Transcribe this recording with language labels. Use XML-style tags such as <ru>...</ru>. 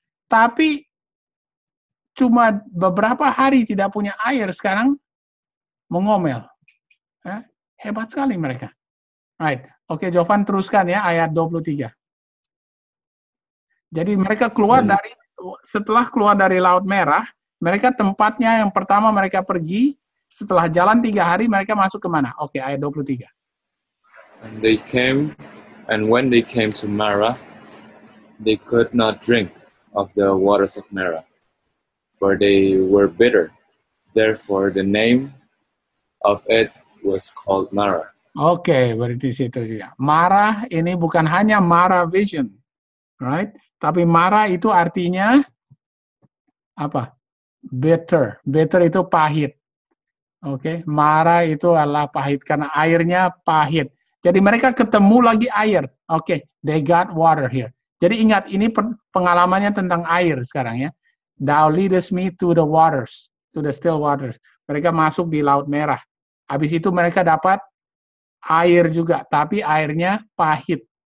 <id>Tapi cuma beberapa hari tidak punya air, sekarang mengomel. Hebat sekali mereka.</id> <en>Right.</en> <id>Oke, Jovan teruskan ya, ayat 23. Jadi mereka keluar dari... Setelah keluar dari Laut Merah, mereka tempatnya yang pertama mereka pergi, setelah jalan 3 hari, mereka masuk ke mana? Oke, ayat 23.</id> <en>And they came, and when they came to Marah, they could not drink of the waters of Marah, for they were bitter. Therefore, the name of it was called Marah.</en> <id>Oke, berarti situ juga. Marah ini bukan hanya Marah Vision,</id> <en>right?</en> <id>Tapi marah itu artinya apa? Bitter. Bitter itu pahit. Oke, okay? Marah itu adalah pahit karena airnya pahit. Jadi mereka ketemu lagi air. Oke, okay.</id> <en>They got water here.</en> <id>Jadi ingat, ini pengalamannya tentang air sekarang ya.</id> <en>Thou leadest me to the waters, to the still waters.</en> <id>Mereka masuk di Laut Merah. Habis itu mereka dapat air juga, tapi airnya pahit.</id>